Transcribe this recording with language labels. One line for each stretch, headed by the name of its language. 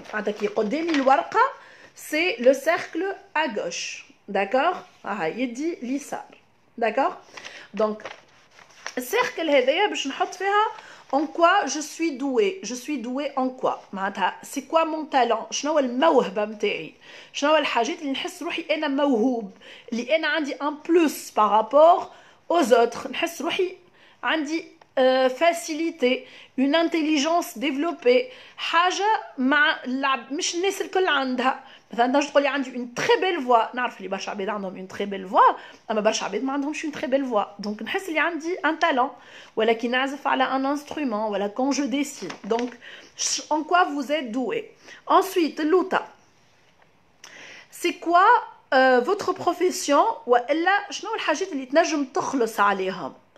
Arabic: Hada ki qdami lwarqa,
French: c'est le cercle à gauche. D'accord? Ah, il dit l'isar. D'accord? Donc cercle
Arabic: hadaya باش نحط فيها
French: en quoi je suis doué. Je suis doué en quoi?
Arabic: معناتها
French: c'est quoi mon talent?
Arabic: شنو الموهبه نتاعي? شنو الحاجات اللي نحس روحي انا موهوب اللي انا عندي
French: un plus par rapport aux autres.
Arabic: نحس روحي عندي
French: facilité, une intelligence développée,
Arabic: حاجه مع اللعب مش الناس الكل عندها. مثلا انا تقول لي عندي
French: une très belle voix,
Arabic: نعرف اللي برشا عباد عندهم une très belle voix, اما برشا عباد ما عندهمش une très belle voix.
French: Donc
Arabic: نحس اللي عندي
French: un talent, voilà qui
Arabic: نعزف على
French: un instrument, voilà quand je dessine. Donc en quoi vous êtes doué. Ensuite, l'outa. C'est quoi votre profession ou alla
Arabic: شنو الحاجات اللي تنجم تخلص عليهم.